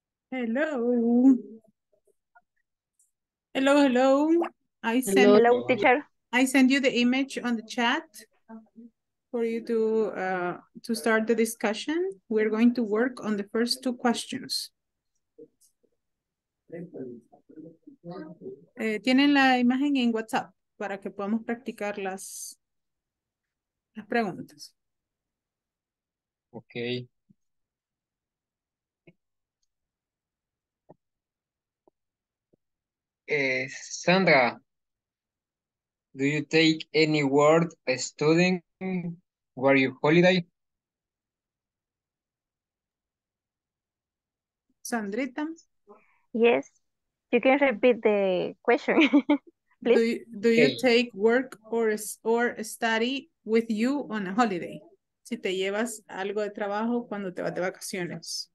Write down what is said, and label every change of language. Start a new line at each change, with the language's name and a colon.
English: Hello. Hello, hello. Hello, teacher. I send you the image on the chat for you to start the discussion. We're going to work on the first two questions.
Spanish: Tienen la imagen en WhatsApp para que podamos practicar las preguntas.
English: Okay. Sandra, do you take any work studying while you holiday? Sandrita? Yes, you can repeat the question, please. Do you take work or study with you on a holiday?
Spanish: Si te llevas algo de trabajo cuando te vas de vacaciones.